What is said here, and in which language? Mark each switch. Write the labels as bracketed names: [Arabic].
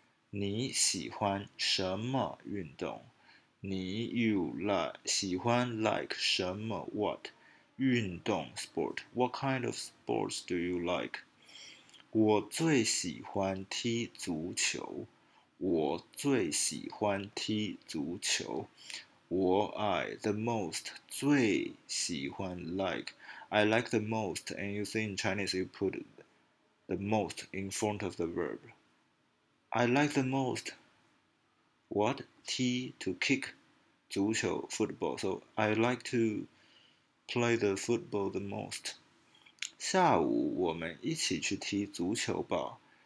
[Chinese] 你喜欢什么运动?你, you, like, 喜欢, like, 什么, what? [English] 运动, sport. What kind of sports do you like? [Chinese] 我最喜欢踢足球. 我最喜欢踢足球. [English] 我爱 the most 最喜欢 like I like the most, and you see in Chinese you put the most in front of the verb. I like the most. What? T to kick. [Chinese] 足球, football. [English] So I like to play the football the most. [Chinese] 下午我们一起去踢足球吧。